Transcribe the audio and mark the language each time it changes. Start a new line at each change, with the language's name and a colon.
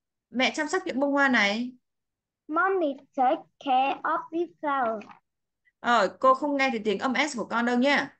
Vietnamese: Mẹ chăm sóc những bông hoa này.
English: Mommy take care of the flowers.
Vietnamese: Cô không nghe thì tiếng âm S của con đâu nhé.